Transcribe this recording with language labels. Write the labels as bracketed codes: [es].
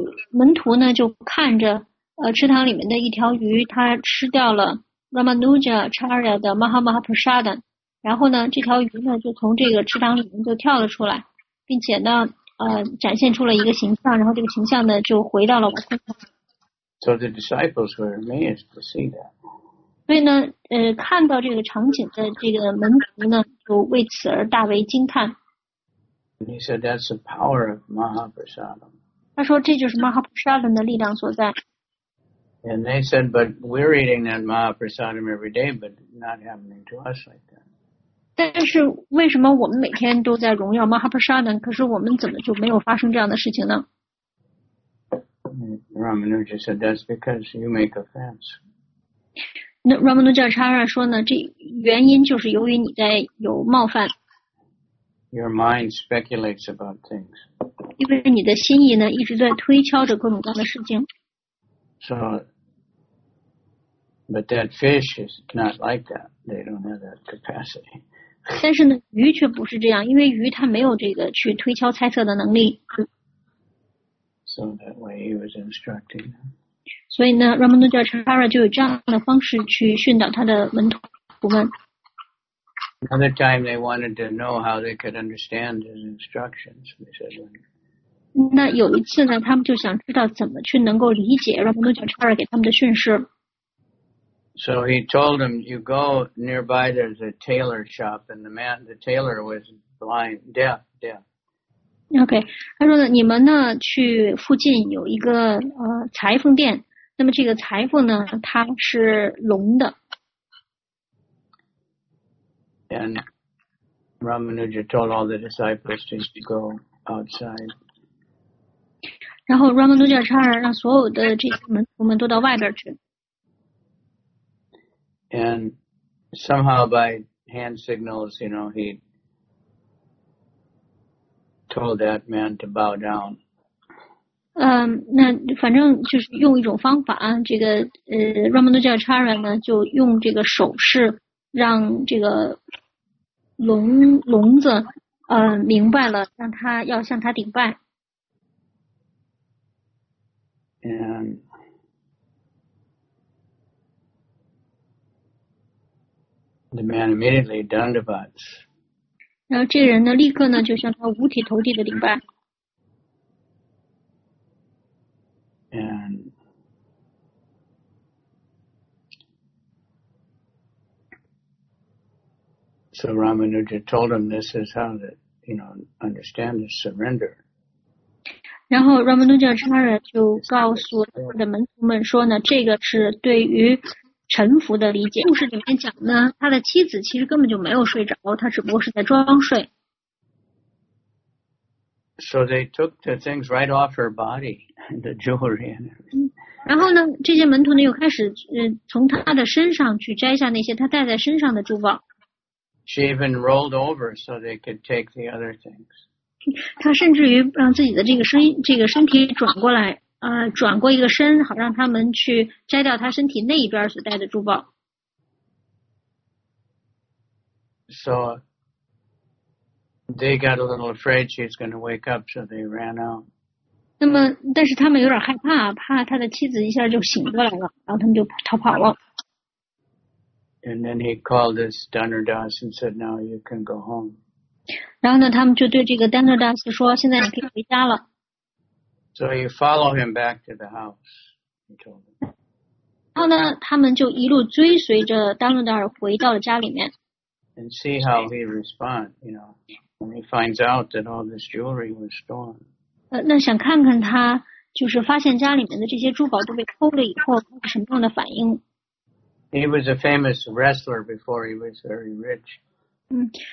[zh] 门徒呢就看着池塘里面的一条鱼他吃掉了 Ramanujacharya 的 Mahaprasada, 然后呢这条鱼呢就从这个池塘里面就跳了出来并且呢展现出了一个形象然后这个形象呢就回到了 Vaikuntha. [en] So the disciples were amazed to see that. [zh] 所以呢，看到这个场景的这个门徒呢，就为此而大为惊叹。 [en] He said that's the power of Mahaprasada. [zh] 他说这就是 Mahaprasada 的力量所在。 [en] And they said, but we're eating that Mahaprasada every day, but not happening to us like that. [zh] 但是为什么我们每天都在荣耀 Mahaprasada， 可是我们怎么就没有发生这样的事情呢 [en] ？Ramanuja said that's because you make offense. [zh] 那 Ramanujacharya 说呢，这原因就是由于你在有冒犯。 [en] Your mind speculates about things. [zh] 因为你的心意呢一直在推敲着各种各样的事情。 [en] So, but that fish is not like that. They don't have that capacity. [zh] 但是呢，鱼却不是这样，因为鱼它没有这个去推敲猜测的能力。 [en] So that way he was instructing them. [zh] 所以呢 ，Ramanujacharya 就有这样的方式去训导他的门徒们。 [en] Another time they wanted to know how they could understand his instructions. They said, when... [zh] 那有一次呢，他们就想知道怎么去能够理解 Ramanujacharya 给他们的训示。 [en] So he told them, you go nearby, there's a tailor shop, and the man, the tailor was blind, deaf. [zh] Okay, 他说呢，你们呢，去附近有一个裁缝店，那么这个裁缝呢，他是聋的。 [en] And Ramanuja told all the disciples to go outside. [zh] 然后 Ramanujacharya 让所有的这些门徒们都到外边去。 [en] And somehow by hand signals, you know, he told that man to bow down. [zh] 那反正就是用一种方法，这个Ramanujacharya 呢，就用这个手势让这个聋子明白了，让他要向他顶拜。 [en] And the man immediately dandavats. [zh] 然后这个人呢，立刻呢就向他五体投地的顶拜。 [en] And so Ramanuja told him, "This is how to, you know, understand the surrender." [zh] 然后 Ramanujacharya 就告诉他的门徒们说呢，这个是对于臣服的理解。故事里面讲呢，他的妻子其实根本就没有睡着，他只不过是在装睡。 [en] So they took the things right off her body, the jewelry and everything. [zh] 然后呢，这些门徒呢又开始从他的身上去摘下那些他戴在身上的珠宝。 [en] She even rolled over so they could take the other things. [zh] 她甚至于让自己的这个身体转过来，转过一个身，好让他们去摘掉她身体那一边所戴的珠宝。 [en] So they got a little afraid she's going to wake up, so they ran out. [zh] 那么，但是他们有点害怕，怕他的妻子一下就醒过来了，然后他们就逃跑了。 [en] And then he called this Dhanardas and said, "Now you can go home." [zh] 然后呢，他们就对这个 Dhanardas 说，现在你可以回家了。 [en] So you follow him back to the house, he told them. [zh] 然后呢，他们就一路追随着 Dhanardas 回到了家里面。 [en] And see how he responds, you know, when he finds out that all this jewelry was stolen. [zh] 那想看看他就是发现家里面的这些珠宝都被偷了以后，他是什么样的反应。 [en] He was a famous wrestler before he was very rich.